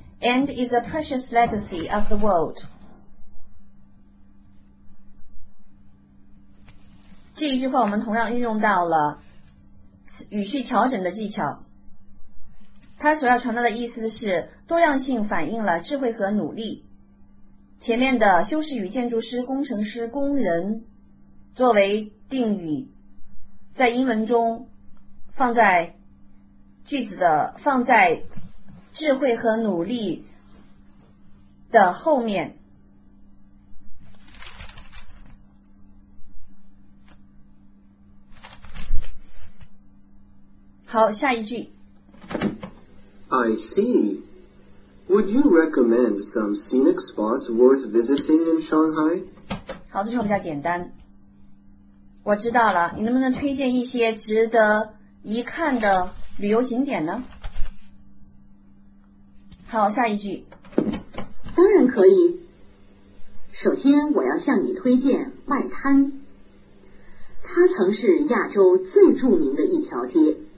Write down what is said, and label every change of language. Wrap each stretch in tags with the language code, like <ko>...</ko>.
<en>and is a precious legacy of the world.</en> <zh>这一句话我们同样运用到了语序调整的技巧。它所要传达的意思是多样性反映了智慧和努力。前面的修饰语建筑师、工程师、工人作为定语，在英文中放在句子的放在智慧和努力的后面。好，下一句。</zh> <en>I see. Would you recommend some scenic spots worth visiting in Shanghai?</en> <zh>好，这句话比较简单。我知道了，你能不能推荐一些值得一看的旅游景点呢？好，下一句。当然可以。首先，我要向你推荐外滩。它曾是亚洲最著名的一条街。</zh>